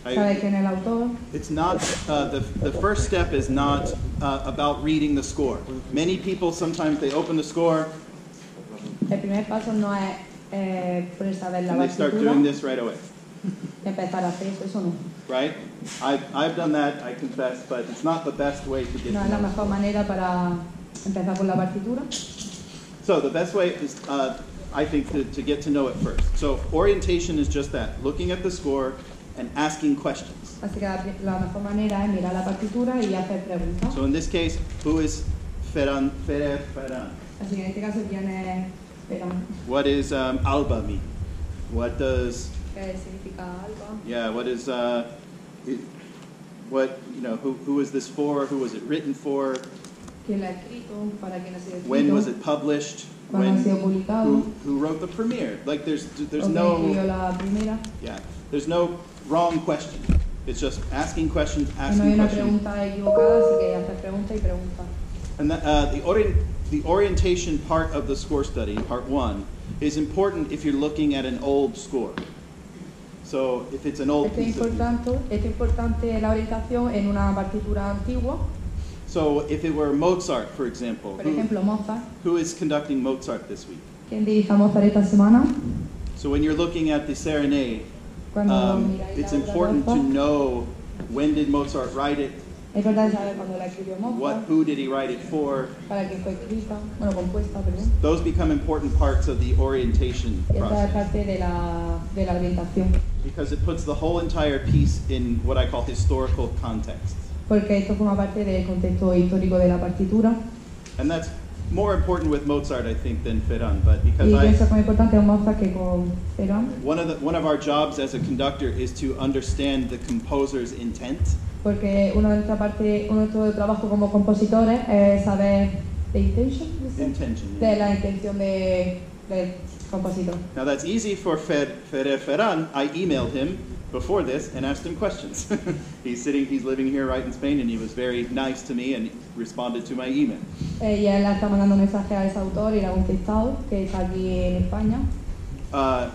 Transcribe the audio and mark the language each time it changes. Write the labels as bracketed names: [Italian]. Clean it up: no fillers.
[English] It's not, the first step is not about reading the score. Many people, sometimes they open the score, [Spanish] el primer paso no es, saber la [English] and they start [Spanish] partitura. [English] Doing this right away. [Spanish] Empezar a hacer eso, eso no. [English] Right? I've done that, I confess, but it's not the best way to get [Spanish] no, la mejor manera para empezar con la partitura. [English] So the best way is, I think, to get to know it first. So orientation is just that, looking at the score and asking questions. [Spanish] Así que la mejor manera es mirar la partitura y hacer preguntas. [English] So in this case, who is Ferran? Ferran. [Spanish] Así que en este caso, ¿quién es Ferran? [English] What is Alba mean? What does... Alba. Yeah. What is it, what you know? Who is this for? Who was it written for? [Spanish] ¿Quién la ha escrito? ¿Para quién ha sido escrito? [English] When was it published? [Spanish] ¿Cuándo ha sido publicado? [English] Who wrote the premiere? Like there's no. [Spanish] ¿Quién escribió la primera? [English] Yeah. There's no wrong question. It's just asking questions, [Spanish] No hay una pregunta equivocada, así que hacer pregunta y pregunta. [English] And the orientation part of the score study, part one, is important if you're looking at an old score. So if it's an old piece So if it were Mozart, for example, who is conducting Mozart this week? [Spanish] ¿Quién dirige a Mozart esta semana? [English] So when you're looking at the serenade, it's important to know when did Mozart write it, who did he write it for. [Spanish] Para que fue escrita, bueno, compuesta, perdón. [English] Those become important parts of the orientation process. [Spanish] Es parte de la orientación. [English] Because it puts the whole entire piece in what I call historical context. [Spanish] Porque esto forma parte del contexto histórico de la partitura. [English] And that's more important with Mozart, I think, than Ferran. But because [Spanish] y eso es más importante con Mozart que con Ferran. [English] One of our jobs as a conductor is to understand the composer's intent. [Spanish] Porque uno de nuestro trabajo como compositores es saber [English] the intention. Intention. [Spanish] De la intención de compositor. [English] Now that's easy for Ferran. I emailed him before this and asked him questions. He's living here right in Spain, and he was very nice to me and responded to my email. [Spanish] Y él está mandando un mensaje a ese autor y le ha contestado que está aquí en España.